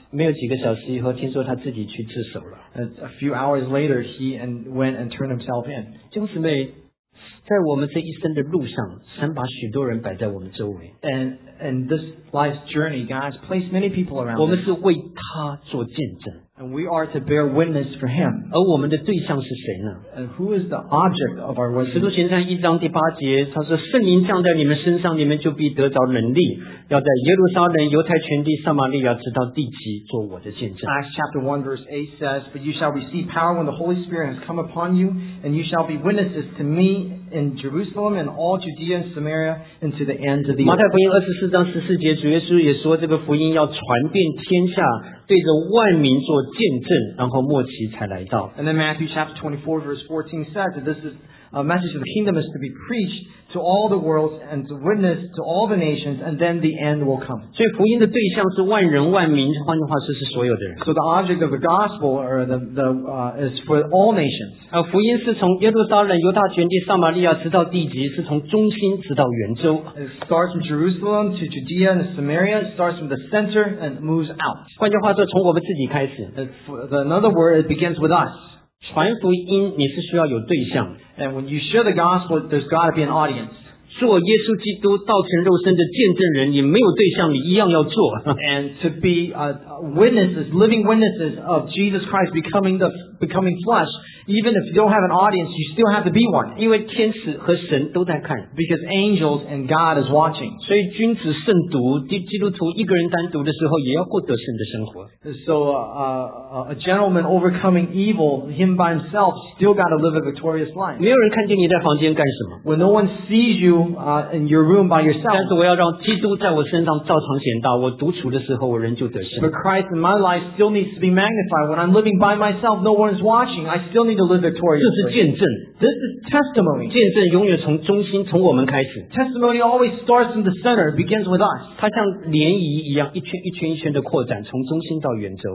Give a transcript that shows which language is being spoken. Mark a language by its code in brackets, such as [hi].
[zh] 没有几个小时以后，听说他自己去自首了。 [en] A few hours later, he went and turned himself in. [zh] 就是没。在我们这一生的路上，神把许多人摆在我们周围。 [en] And this life's journey, God has placed many people around us. [zh] 我们是为他做见证。 [en] And we are to bear witness for him. [zh] 而我们的对象是谁呢？ [en] And who is the object of our witness? [zh] 使徒行传一章第八节，他说：“圣灵降在你们身上，你们就必得着能力，要在耶路撒冷、犹太全地、撒玛利亚，直到地极，做我的见证。” [en] Acts chapter 1 verse 8 says, "But you shall receive power when the Holy Spirit has come upon you, and you shall be witnesses to me." In Jerusalem and all Judea and Samaria and to the ends of the earth. [zh] 马太福音二十四章十四节，主耶稣也说，这个福音要传遍天下，对着万民做见证，然后末期才来到。 [en] And then Matthew chapter 24 verse 14 says that this is a message of the kingdom is to be preached to all the worlds and to witness to all the nations, and then the end will come. [zh] 所以福音的对象是万人万民，换句话说是所有的人。 [en] So the object of the gospel or the is for all nations. [zh] 福音是从耶路撒冷、犹大全地、撒玛利亚直到地极，是从中心直到圆周。 [en] It starts from Jerusalem to Judea and Samaria. It starts from the center and moves out. [zh] 换句话说，从我们自己开始。 [en] Another word, it begins with us. [zh] 传福音你是需要有对象 [en] and when you share the gospel there's got to be an audience [zh] 做耶稣基督道成肉身的见证人你没有对象你一样要做 [en] and to be witnesses living witnesses of Jesus Christ becoming the becoming flesh, even if you don't have an audience, you still have to be one. [zh] 因为天使和神都在看。 [en] Because angels and God is watching. [zh] 所以君子慎独，基督徒一个人单独的时候也要过得胜的生活。 [en] So a gentleman overcoming evil, him by himself, still got to live a victorious life. [zh] 没有人看见你在房间干什么。 [en] When no one sees you in your room by yourself. [zh] 但是我要让基督在我身上照常显大，我独处的时候我仍旧得胜。 [en] But Christ in my life still needs to be magnified. When I'm living by myself, no one is watching. I still need to live victoriously. [zh] 这是见证。 [en] This is testimony. [zh] 见证永远从中心，从我们开始。 [en] Testimony always starts in the center, begins with us. [zh] 它像涟漪一样，一圈一圈一圈的扩展，从中心到圆周。